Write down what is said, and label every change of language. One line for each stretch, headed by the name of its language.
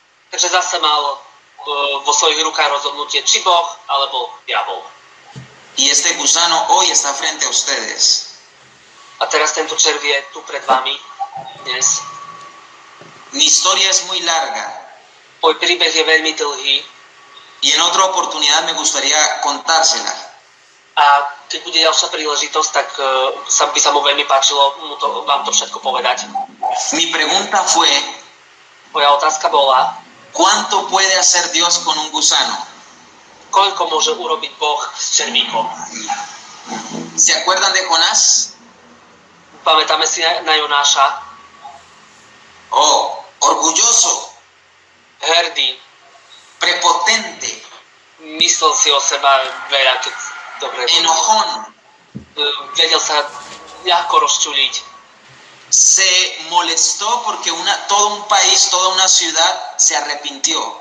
Slovak: Takže zase mal vo svojich rukách rozhodnutie, či Boh alebo diabol.
Spanish: Y este gusano hoy está frente a ustedes.
Slovak: A teraz tento červ je tu pred vami dnes.
Spanish: Mi historia es muy larga.
Slovak: Môj príbeh je veľmi dlhý.
Spanish: Y en otra oportunidad me gustaría contársela.
Slovak: A keď bude ďalšia príležitosť, tak by sa mu veľmi páčilo mu to, vám to všetko povedať.
Spanish: Mi pregunta fue,
Slovak: moja otázka bola,
Spanish: ¿cuánto puede hacer Dios con un gusano?
Slovak: Koľko môže urobiť Boh s červíkom?
Spanish: ¿Se acuerdan de Jonás?
Slovak: Pamätáme si na Jonáša.
Spanish: Oh, orgulloso.
Slovak: Hrdý.
Spanish: Prepotente.
Slovak: Myslel si o seba veľa, keď dobre.
Spanish: Enojón.
Slovak: Vedel sa ľahko rozčuliť.
Spanish: Se molestó porque una, todo un país, toda una ciudad se arrepintió.